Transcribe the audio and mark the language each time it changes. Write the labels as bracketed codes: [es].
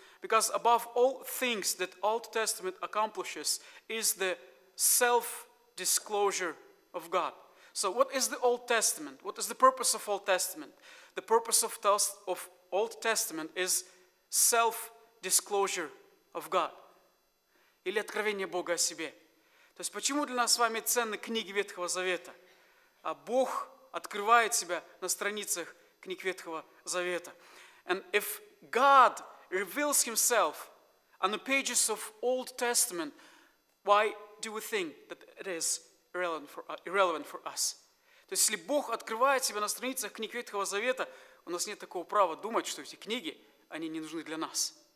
[en] Because above all things that Old Testament accomplishes is the self-disclosure of God. So what is the Old Testament? What is the purpose of Old Testament? The purpose of Old Testament is self-disclosure of God. [ru] Или откровение Бога о себе. То есть почему для нас с вами ценны книги Ветхого Завета? А Бог открывает себя на страницах книг Ветхого Завета. [en] And if God reveals himself on the pages of Old Testament, why do we think that it is irrelevant for us? [ru] То есть если Бог открывает себя на страницах книг Ветхого Завета, у нас нет такого права думать, что эти книги, они не нужны для нас.